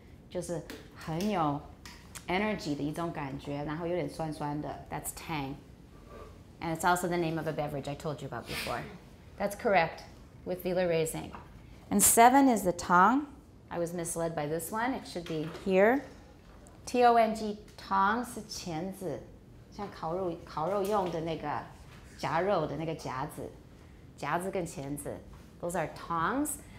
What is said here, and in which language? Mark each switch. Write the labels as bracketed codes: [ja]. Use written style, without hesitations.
[zh] 就是很有 energy 的一种感觉,然后有点酸酸的. [en] That's tang. And it's also the name of a beverage I told you about before. That's correct, with velar raising. And seven is the tong. I was misled by this one. It should be here. [zh] T-O-N-G, tong, 是钳子, 像烤肉用的那个夹肉的那个夹子, 夹子跟钳子, those are tongs.